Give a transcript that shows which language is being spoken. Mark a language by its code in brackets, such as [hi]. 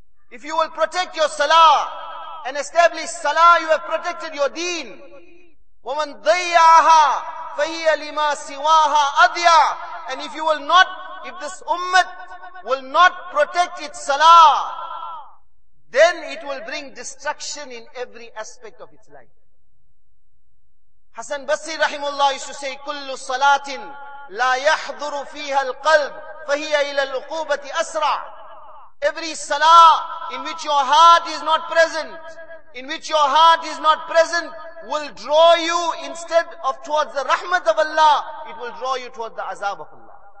[en] If you will protect your salah and establish salah, you have protected your deen. [ar] وَمَنْ ضَيَّعَهَا فَهِيَ لِمَا سِوَاهَا أَضْيَعَ. [en] And if you will not, if this ummah will not protect its salah, then it will bring destruction in every aspect of its life. Hasan Basri rahimullah used to say, [ar] كُلُّ صَلَاتٍ لَا يَحْضُرُ فِيهَا الْقَلْبِ فَهِيَ إِلَى الْعُقُوبَةِ أَسْرَعَ. [en] Every salah in which your heart is not present, in which your heart is not present, will draw you instead of towards the rahmat of Allah, it will draw you towards the azab of Allah.